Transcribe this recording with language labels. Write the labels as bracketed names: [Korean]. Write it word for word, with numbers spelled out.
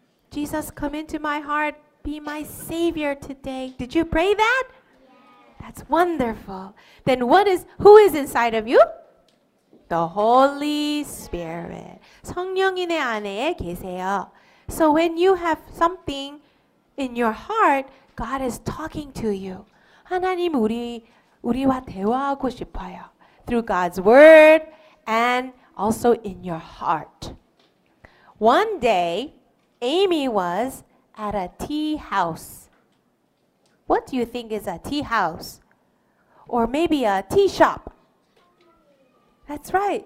[English] Jesus, come into my heart, be my Savior today. Did you pray that? That's wonderful. Then what is, who is inside of you? The Holy Spirit. [Korean] 성령님의 안에 계세요. [English] So when you have something in your heart, God is talking to you. [Korean] 하나님 우리, 우리와 대화하고 싶어요. [English] Through God's word and also in your heart. One day, Amy was at a tea house. What do you think is a tea house? Or maybe a tea shop? That's right.